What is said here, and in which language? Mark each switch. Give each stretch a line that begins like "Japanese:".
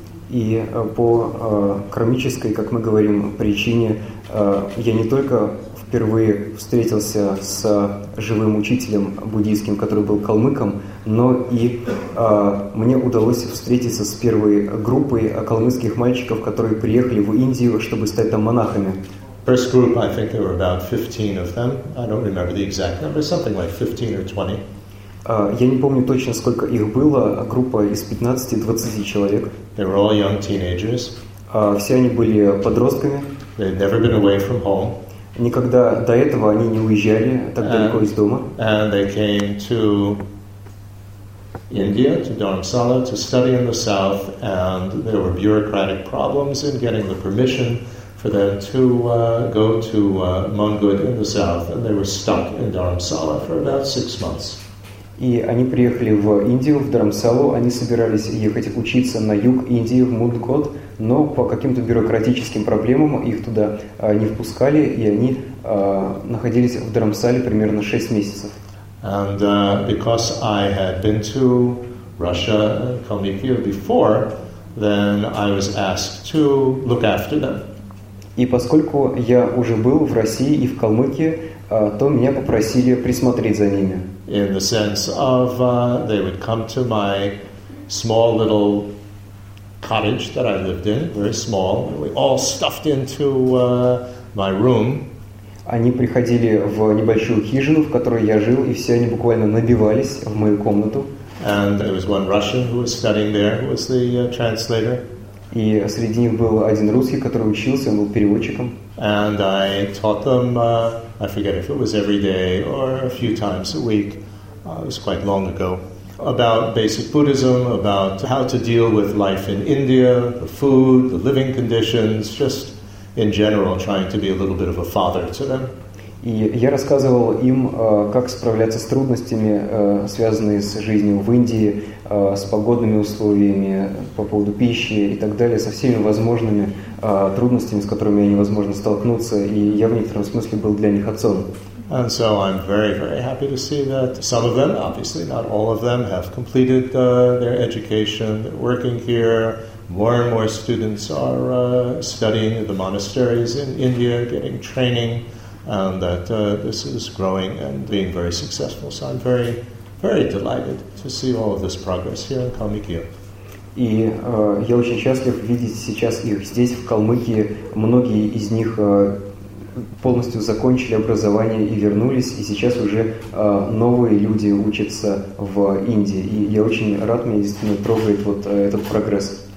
Russian: И по кармической, как мы говорим, причине я не только впервые встретился с живым учителем буддийским, который был калмыком, но и мне удалось встретиться с первой группой калмыцких мальчиков, которые приехали в Индию, чтобы стать там монахами.
English: First group, I think there were about 15 of them. I don't remember the exact number, something like 15 or 20.
Russian: Я не помню точно, сколько их было, а группа из 15-20 человек.
English: They were all young teenagers.
Russian: Все они были подростками.
English: They had never been away from home.
Russian: Никогда до этого они не уезжали так далеко из дома.
English: And they came to India, to Dharamsala, to study in the south, and there were bureaucratic problems in getting the permission for them to go to Mongud in the south, and they were stuck in Dharamsala for about 6 months.
Russian: И они приехали в Индию, в Дармсалу. Они собирались ехать учиться на юг Индии, в Мунгуд, но по каким-то бюрократическим проблемам их туда не впускали, и они находились в Дармсале примерно 6 месяцев.
English: And because I had been to Russia and Kalmykia before, then I was asked to look after them.
Russian: И поскольку я уже был в России и в Калмыкии, то меня попросили присмотреть за ними.
English: In the sense of they would come to my small little cottage that I lived in, very small, we all stuffed into my room.
Russian: Они приходили в небольшую хижину, в которой я жил, и все они буквально набивались в мою комнату.
English: And there was one Russian who was studying there, who was the translator.
Russian: И среди них был один русский, который учился, он был переводчиком.
English: And I taught them, I forget if it was every day or a few times a week, it was quite long ago, about basic Buddhism, about how to deal with life in India, the food, the living conditions, just in general, trying to be a little bit of a father to them.
Russian: И я рассказывал им, как справляться с трудностями, связанные с жизнью в Индии, с погодными условиями, по поводу пищи и так далее, со всеми возможными трудностями, с которыми я невозможно столкнуться, и я в некотором смысле был для них отцом.
English: And so I'm very, very happy to see that some of them, obviously not all of them, have completed their education, they're working here, More and more students are studying in the monasteries in India, getting training, and that this is growing and being very successful. So I'm very, very delighted to see all of this progress here in Kalmykia.
Russian: И я очень счастлив видеть сейчас их здесь, в Калмыкии. Многие из них полностью закончили образование и вернулись, и сейчас уже новые люди учатся в Индии. И я очень рад, меня действительно трогает вот этот прогресс.